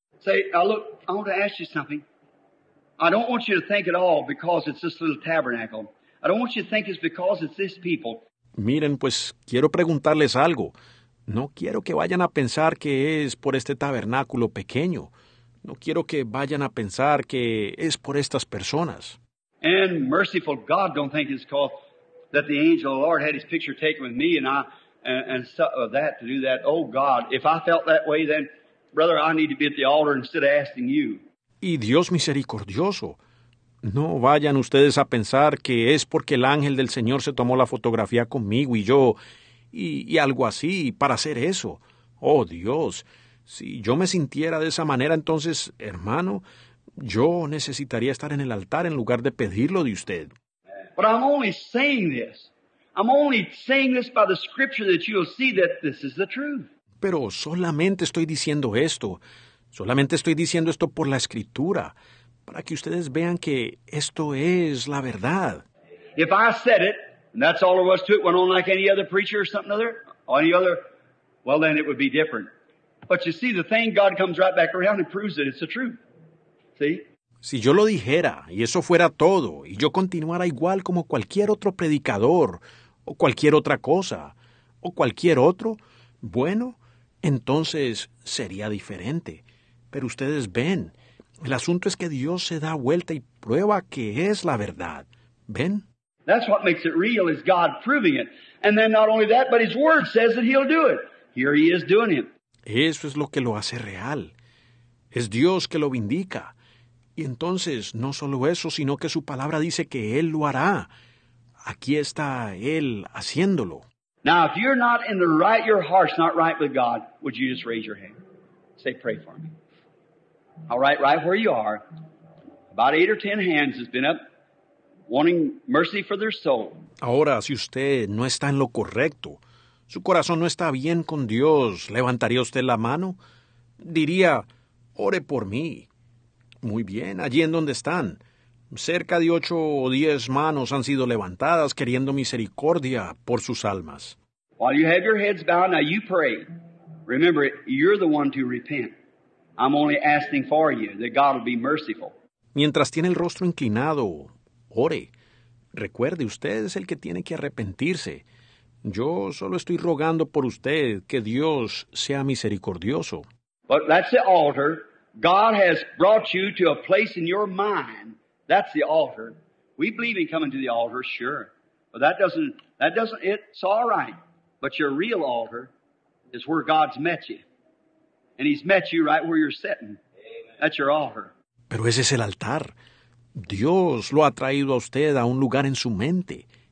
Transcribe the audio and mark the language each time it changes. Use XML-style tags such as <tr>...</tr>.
<en>Say, look, I want to ask you something. I don't want you to think at all because it's this little tabernacle. I don't want you to think it's because it's this people.</en> <es>Miren, pues, quiero preguntarles algo. No quiero que vayan a pensar que es por este tabernáculo pequeño. No quiero que vayan a pensar que es por estas personas.</es> <en>And merciful God, don't think it's because that the angel of the Lord had his picture taken with me and that to do that. Oh, God, if I felt that way, then, brother, I need to be at the altar instead of asking you.</en> <es>Y Dios misericordioso. No vayan ustedes a pensar que es porque el ángel del Señor se tomó la fotografía conmigo y yo, y algo así, para hacer eso. Oh, Dios, si yo me sintiera de esa manera, entonces, hermano, yo necesitaría estar en el altar en lugar de pedirlo de usted.</es> <en>But I'm only saying this. I'm only saying this by the scripture that you'll see that this is the truth.</en> <es>Pero solamente estoy diciendo esto. Solamente estoy diciendo esto por la escritura. Para que ustedes vean que esto es la verdad.</es> <en>If I said it, and that's all there was to it, went on like any other preacher or something other, or any other, well, then it would be different. But you see, the thing, God comes right back around and proves that it's the truth. See?</en> <es>Si yo lo dijera, y eso fuera todo, y yo continuara igual como cualquier otro predicador, o cualquier otra cosa, o cualquier otro, bueno, entonces sería diferente. Pero ustedes ven... El asunto es que Dios se da vuelta y prueba que es la verdad. ¿Ven?</es> <en>That's what makes it real, is God proving it. And then not only that, but His Word says that He'll do it. Here He is doing it.</en> <es>Eso es lo que lo hace real. Es Dios que lo vindica. Y entonces, no solo eso, sino que su palabra dice que Él lo hará. Aquí está Él haciéndolo.</es> <en>Now, if you're not in the right, your heart's not right with God, would you just raise your hand? Say, pray for me. All right, right where you are, about 8 or 10 hands has been up, wanting mercy for their soul.</en> <es>Ahora, si usted no está en lo correcto, su corazón no está bien con Dios, ¿levantaría usted la mano? Diría, ore por mí. Muy bien, allí en donde están, cerca de 8 o 10 manos han sido levantadas queriendo misericordia por sus almas.</es> <en>While you have your heads bowed, now you pray. Remember, you're the one to repent. I'm only asking for you that God will be merciful.</en> <es>Mientras tiene el rostro inclinado, ore. Recuerde, usted es el que tiene que arrepentirse. Yo solo estoy rogando por usted que Dios sea misericordioso.</es> <en>But that's the altar. God has brought you to a place in your mind. That's the altar. We believe in coming to the altar, sure. But that doesn't, it's all right. But your real altar is where God's met you. And He's met you right where you're sitting. That's your altar.</en> <es>Pero ese es el altar. Dios lo ha traído a usted a un lugar en su mente.</es>